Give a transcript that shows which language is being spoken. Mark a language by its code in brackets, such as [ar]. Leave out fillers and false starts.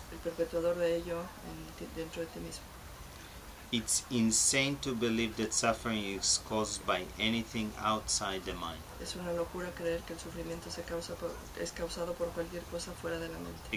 [es] El perpetuador de ello dentro de ti mismo. [en] It's insane to believe that suffering is caused by anything outside the mind. [es] Es una locura creer que el sufrimiento se causa por, es causado por cualquier cosa fuera de la mente.